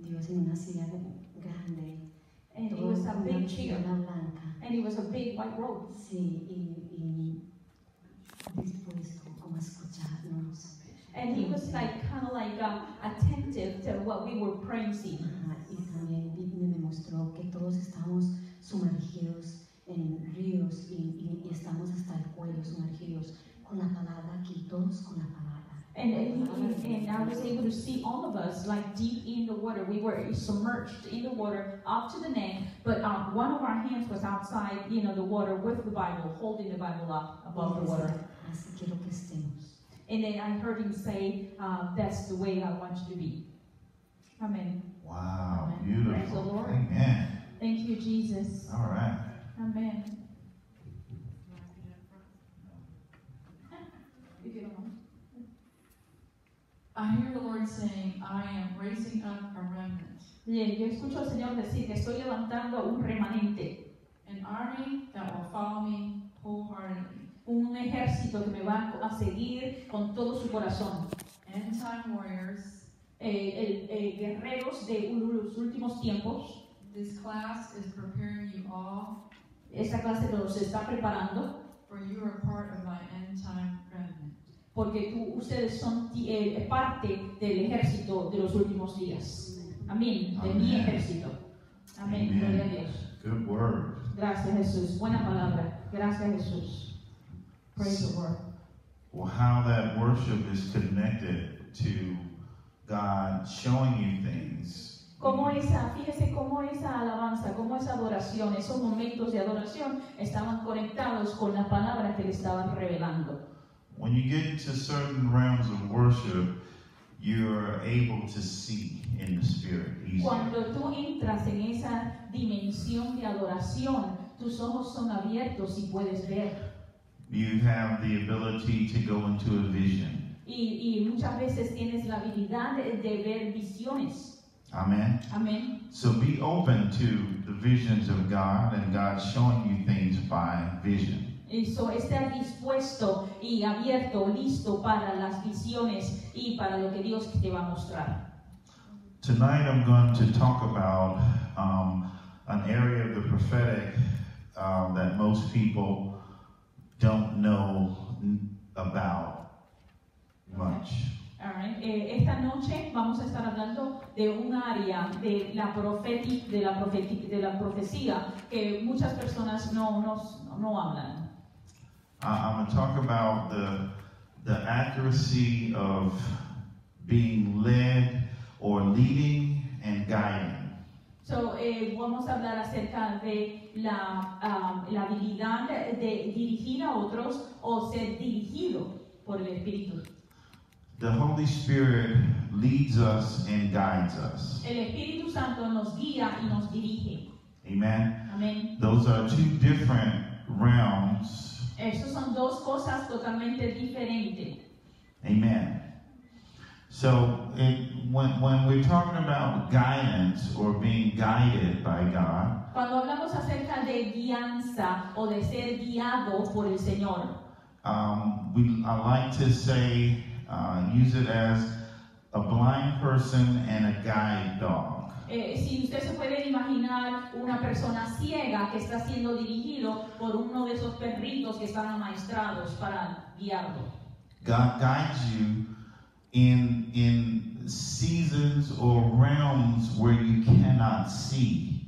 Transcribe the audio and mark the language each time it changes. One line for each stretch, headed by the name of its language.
Spanish: Dios en una silla grande.
English: And it was a big chair.
Spanish: Blanca.
English: And it was a big white robe.
Spanish: Sí, y después como escucharnos.
English: And he was like, kind of like attentive to what we were praising.
Spanish: Y también me mostró que todos estamos sumergidos en ríos y estamos hasta hasta el cuello sumergidos con la palabra, aquí todos con la palabra.
English: And I was able to see all of us like deep in the water. We were submerged in the water up to the neck, but one of our hands was outside, you know, the water with the Bible, holding the Bible up above the water.
Spanish: Así quiero que estemos.
English: And then I heard him say, that's the way I want you to be. Amen. Wow, amen. Beautiful. Praise the Lord. Amen. Thank you, Jesus. All right. Amen. I hear the Lord saying, I am raising up a remnant.
Spanish: Bien, yo escucho al Señor decir que estoy levantando un remanente.
English: An army that will follow me wholeheartedly.
Spanish: Un ejército que me va a seguir con todo su corazón.
English: End time warriors.
Spanish: Guerreros de los últimos tiempos.
English: This class is preparing you all.
Spanish: Esta clase nos está preparando.
English: For you are part of my end time remnant.
Spanish: Porque tú, ustedes son parte del ejército de los últimos días. Amén. De
English: Amen.
Spanish: Mi ejército. Amén. Gloria a Dios.
English: Good word.
Spanish: Gracias, Jesús. Buena palabra. Gracias, Jesús.
English: Praise the Lord. Well, how that worship is connected to God showing you things.
Spanish: Como esa, fíjese cómo esa alabanza, cómo esa adoración, esos momentos de adoración estaban conectados con la palabra que le estaban revelando.
English: When you get to certain realms of worship, you're able to see in the spirit easier.
Spanish: Cuando tú entras en esa dimensión de adoración, tus ojos son abiertos y puedes ver.
English: You have the ability to go into a vision.
Spanish: Y muchas veces tienes la habilidad de ver visiones.
English: Amen. Amen. So be open to the visions of God and God showing you things by vision.
Spanish: Eso, estar dispuesto y abierto, listo para las visiones y para lo que Dios te va a mostrar.
English: Tonight I'm going to talk about an area of the prophetic that most people don't know about much. All right.
Spanish: Esta noche vamos a estar hablando de un área de la profecía que muchas personas no hablan.
English: I'm going to talk about the accuracy of being led or leading and guiding.
Spanish: So, vamos a hablar acerca de la habilidad de dirigir a otros o ser dirigido por el Espíritu.
English: The Holy Spirit leads us and guides us.
Spanish: El Espíritu Santo nos guía y nos dirige.
English: Amen. Amen. Those are two different realms.
Spanish: Esas son dos cosas totalmente diferentes.
English: Amen. So, when we're talking about guidance or being guided by God,
Spanish: cuando hablamos acerca de guianza o de ser guiado por el Señor,
English: I like to say, use it as a blind person and a guide dog.
Spanish: Si usted se puede imaginar una persona ciega que está siendo dirigido por uno de esos perritos que están amaestrados para guiarlo.
English: God guides you in seasons or realms where you cannot see.